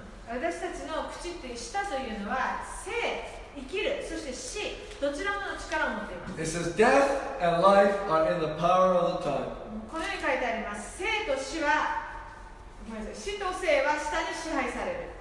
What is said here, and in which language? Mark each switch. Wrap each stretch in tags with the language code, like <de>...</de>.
<ja>私たちの口って舌というのは生、生きる、そして死、どちらもの力を持っています。</ja> <en>It says death and life are in the power of the tongue.</en> <ja>このように書いてあります。生と死は、死と生は舌に支配される。</ja>